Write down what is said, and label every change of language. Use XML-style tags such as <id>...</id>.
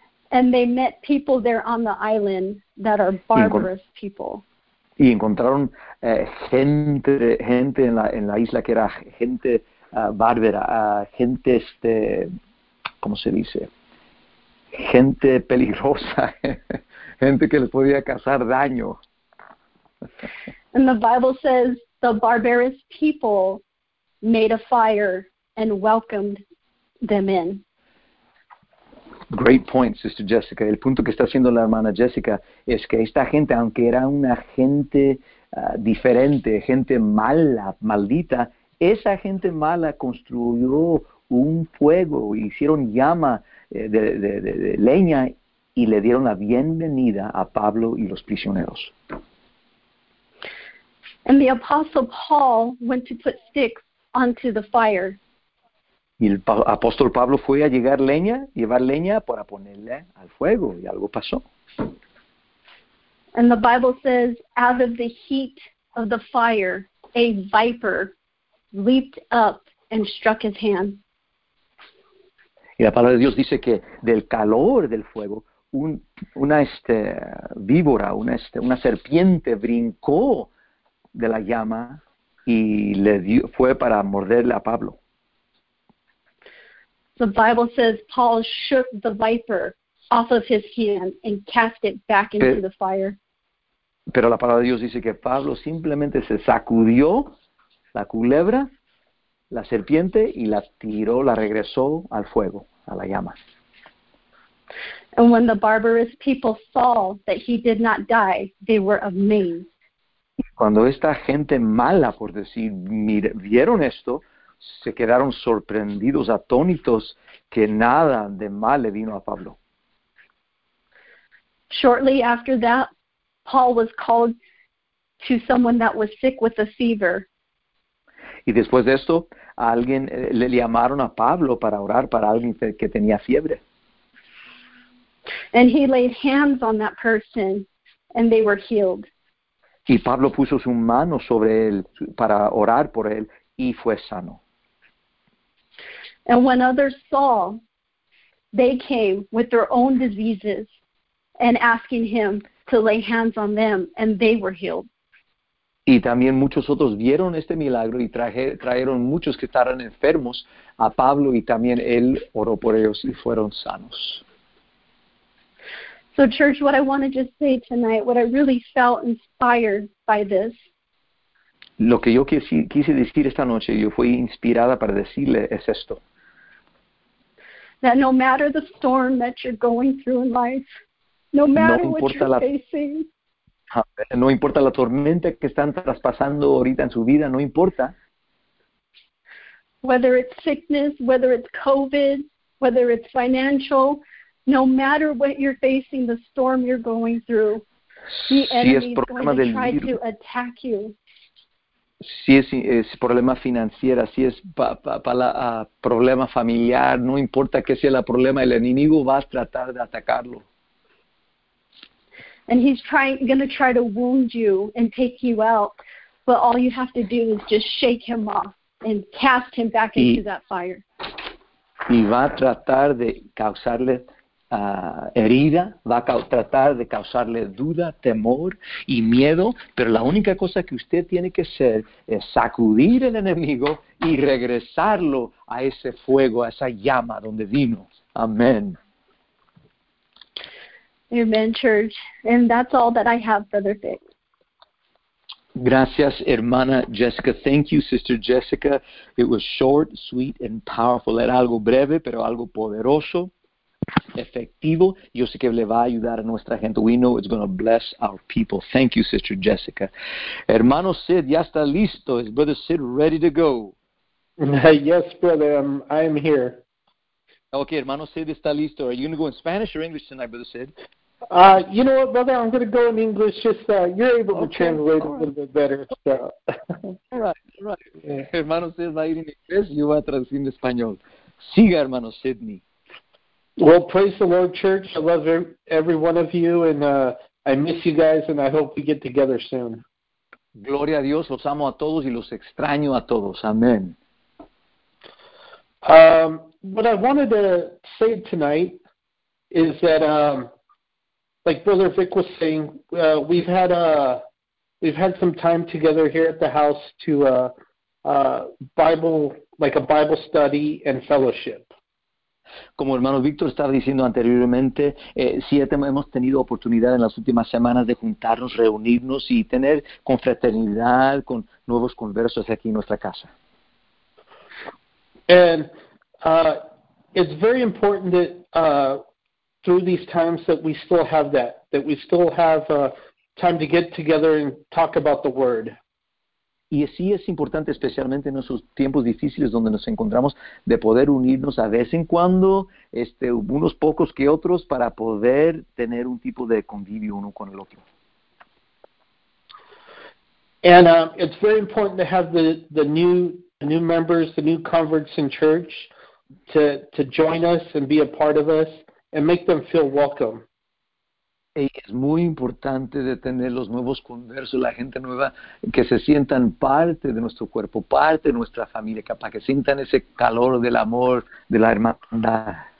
<en>And they met people there on the island that are barbarous people.</en> <es>Y encontraron gente en la isla que era gente bárbara, gente ¿cómo se dice? Gente peligrosa, gente que les podía causar daño.</es> <en>And the Bible says the barbarous people made a fire and welcomed them in. Great point, Sister Jessica.</en> <es>El punto que está haciendo la hermana Jessica es que esta gente, aunque era una gente diferente, gente mala, maldita, esa gente mala construyó un fuego, hicieron llama de leña y le dieron la bienvenida a Pablo y los prisioneros.</es> <en>And the apostle Paul went to put sticks onto the fire.</en> <es>Y el apóstol Pablo fue a llevar leña para ponerle al fuego, y algo pasó.</es> <en>And the Bible says, out of the heat of the fire, a viper leaped up and struck his hand.</en> <es>Y la palabra de Dios dice que del calor del fuego, una víbora, una serpiente brincó de la llama y fue para morderle a Pablo.</es> <en>The Bible says Paul shook the viper off of his hand and cast it back into the fire.</en> <es>Pero la palabra de Dios dice que Pablo simplemente se sacudió la culebra, la serpiente, y la regresó al fuego, a la llama.</es> <en>And when the barbarous people saw that he did not die, they were amazed.</en> <es>Y cuando esta gente mala, por decir, vieron esto, se quedaron sorprendidos, atónitos, que nada de mal le vino a Pablo.</es> <en>Shortly after that, Paul was called to someone that was sick with a fever.</en> <es>Y después de esto, alguien le llamaron a Pablo para orar para alguien que tenía fiebre.</es> <en>And he laid hands on that person, and they were healed.</en> <es>Y Pablo puso su mano sobre él para orar por él, y fue sano.</es> <en>And when others saw, they came with their own diseases and asking him to lay hands on them, and they were healed.</en> <es>Y también muchos otros vieron este milagro y trajeron muchos que estaban enfermos a Pablo, y también él oró por ellos y fueron sanos.</es> <en>So church, what I want to just say tonight, what I really felt inspired by this.</en> <es>Lo que yo quise decir esta noche, yo fui inspirada para decirle es esto.</es> <en>That no matter the storm that you're going through in life, no matter</en> <es>no</es> <en>what you're facing.</en> <es>No importa la tormenta que están traspasando ahorita en su vida, no importa.</es> <en>Whether it's sickness, whether it's COVID, whether it's financial, no matter what you're facing, the storm you're going through, the enemy is going to try to attack you.</en> <es>Si es problema financiero, si es problema familiar, no importa qué sea el problema, el enemigo va a tratar de atacarlo.</es> <en>And he's going to try to wound you and take you out. But all you have to do is just shake him off and cast him back into that fire.</en> <es>Y va a tratar de causarle herida, va a tratar de causarle duda, temor y miedo. Pero la única cosa que usted tiene que hacer es sacudir el enemigo y regresarlo a ese fuego, a esa llama donde vino. Amén.</es> <en>Amen, church. And that's all that I have, Brother Vic.</en> <es>Gracias, hermana Jessica.</es> <en>Thank you, Sister Jessica. It was short, sweet, and powerful.</en> <es>Era algo breve, pero algo poderoso, efectivo. Yo sé que le va a ayudar a nuestra gente.</es> <en>We know it's going to bless our people. Thank you, Sister Jessica.</en> <es>Hermano Sid, ya está listo.</es> <en>Is Brother Sid ready to go? Yes, Brother. I am here. Okay,</en> <es>hermano Sid está listo.</es> <en>Are you going to go in Spanish or English tonight, Brother Sid? You know what, Brother? I'm going to go in English. Just you're able to translate a little bit better. So. All right. Yeah.</en> <es>Hermano Sid va a ir en inglés y yo voy a traducir en español. Siga, hermano Sidney.</es> <en>Well, praise the Lord, church. I love every one of you, and I miss you guys, and I hope we get together soon.</en> <es>Gloria a Dios. Los amo a todos y los extraño a todos. Amén.</es> <en>What I wanted to say tonight is that, like Brother Vic was saying, we've had some time together here at the house to a Bible study and fellowship.</en> <es>Como hermano Víctor estaba diciendo anteriormente, sí hemos tenido oportunidad en las últimas semanas de juntarnos, reunirnos y tener confraternidad con nuevos conversos aquí en nuestra casa.</es> <en>And it's very important that through these times that we still have time to get together and talk about the Word.</en> <es>Y sí es importante, especialmente en esos tiempos difíciles donde nos encontramos, de poder unirnos a vez en cuando, unos pocos que otros, para poder tener un tipo de convivio uno con el otro.</es> <en>And it's very important to have the new members, the new converts in church, to join us and be a part of us and make them feel welcome.</en> <es>Es muy importante de tener los nuevos conversos, la gente nueva, que se sientan parte de nuestro cuerpo, parte de nuestra familia, para que sientan ese calor del amor, de la hermandad.</es>